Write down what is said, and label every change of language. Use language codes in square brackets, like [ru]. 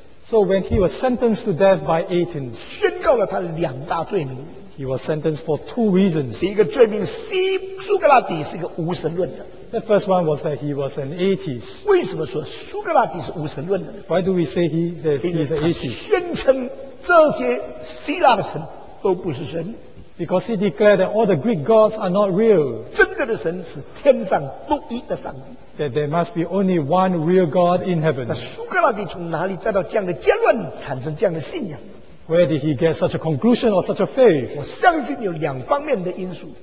[en] So when he was sentenced to death by Athens, [zh] 宣告了他的两大罪名。 [en] He was sentenced for two reasons. [zh] 第一个罪名，苏格拉底是个无神论的。 [en] The first one was that he was an atheist. [zh] 为什么说苏格拉底是无神论的呢？ [en] Why do we say he says he is an atheist? [zh] 宣称这些希腊的神都不是神。 [en] Because he declared that all the Greek gods are not real. [zh] 真正的神是天上独一的上帝。 [en] That there must be only one real God in heaven. [zh] 那苏格拉底从哪里得到这样的结论，产生这样的信仰？ [en] Where did he get such a conclusion or such a faith? [zh] 我相信有两方面的因素。